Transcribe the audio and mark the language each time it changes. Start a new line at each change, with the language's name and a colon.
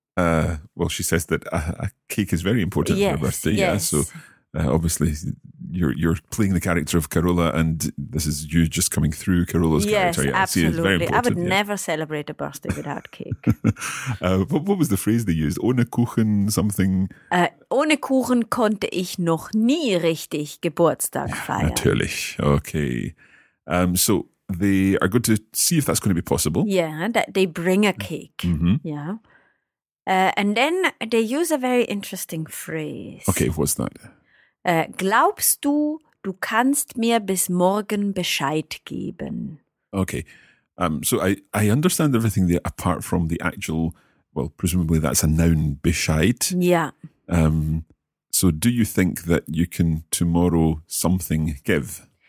English: Well, she says that a cake is very important for her birthday. Yes. Yeah, so Obviously, you're playing the character of Carola, and this is you just coming through Carola's character. Yes, absolutely. I see, it's very important. I would never celebrate a birthday without cake. what was the phrase they used?
German: Ohne Kuchen
English: something?
German: Ohne Kuchen konnte ich noch nie richtig Geburtstag feiern. Natürlich. Okay.
English: So they are going to see if that's going to be possible. Yeah, that they bring a cake. Mm-hmm. Yeah. And then they use a very interesting phrase. Okay, what's that?
German: Glaubst du, du kannst mir bis morgen Bescheid geben?
English: Okay, so I understand everything there apart from the actual, well, presumably that's a noun, Bescheid. Yeah. So do you think that you can tomorrow something give?